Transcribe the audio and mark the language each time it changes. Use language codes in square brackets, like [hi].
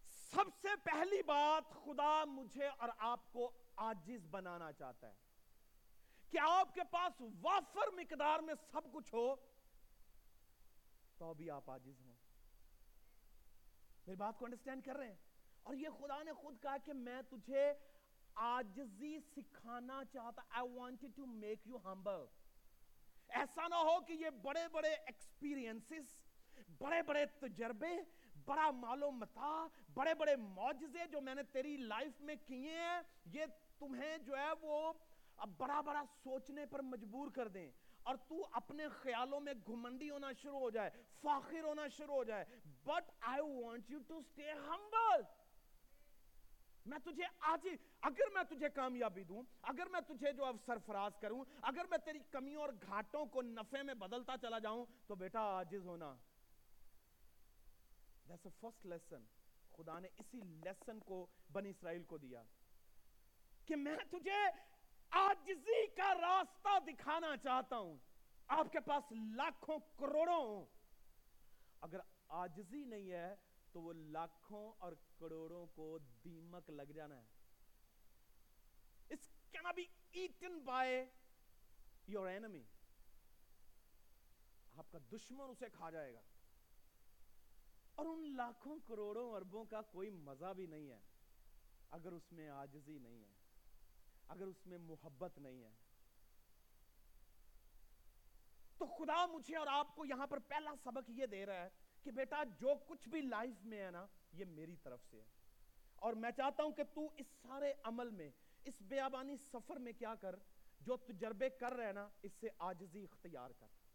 [ur] سب سے پہلی بات, خدا مجھے اور آپ کو عاجز بنانا چاہتا ہے کہ آپ کے پاس وافر مقدار میں سب کچھ ہو تو بھی آپ عاجز ہوں. میری بات کو انڈرسٹینڈ کر رہے ہیں؟ اور یہ خدا نے خود کہا کہ میں تجھے عاجزی سکھانا چاہتا. [en] I wanted to make you humble. [ur] ایسا نہ ہو کہ یہ بڑے بڑے ایکسپیرینسز, بڑے بڑے تجربے, بڑا مال و متاع, بڑے بڑے معجزے جو میں نے تیری لائف میں کیے ہیں, یہ تمہیں جو ہے وہ بڑا بڑا سوچنے پر مجبور کر دیں, اور تو اپنے خیالوں میں گھمنڈی ہونا شروع ہو جائے, فاخر ہونا شروع ہو جائے. [en] But I want you to stay humble. [ur] میں تجھے آج ہی, اگر میں تجھے کامیابی دوں, اگر میں تجھے جو اب سرفراز کروں, اگر میں تیری کمیوں اور گھاٹوں کو نفے میں بدلتا چلا جاؤں تو بیٹا عاجز ہونا. [en] That's the first lesson. [ur] خدا نے اسی lesson کو بنی اسرائیل کو دیا کہ میں تجھے عاجزی کا راستہ دکھانا چاہتا ہوں. آپ کے پاس لاکھوں کروڑوں ہوں, اگر عاجزی نہیں ہے تو وہ لاکھوں اور کروڑوں کو دیمک لگ جانا ہے. [en] It cannot be eaten by your enemy. [ur] آپ کا دشمن اسے کھا جائے گا. اور ان لاکھوں کروڑوں اربوں کا کوئی مزہ بھی نہیں ہے اگر اس میں عاجزی نہیں ہے, اگر اس میں محبت نہیں ہے. تو خدا مجھے اور آپ کو یہاں پر پہلا سبق یہ دے رہا ہے کہ بیٹا جو کچھ بھی لائف میں ہے نا, یہ میری طرف سے ہے, اور میں چاہتا ہوں کہ تو اس سارے عمل میں, اس بیابانی سفر میں کیا کر, جو تجربے کر رہے نا, اس سے عاجزی اختیار کر.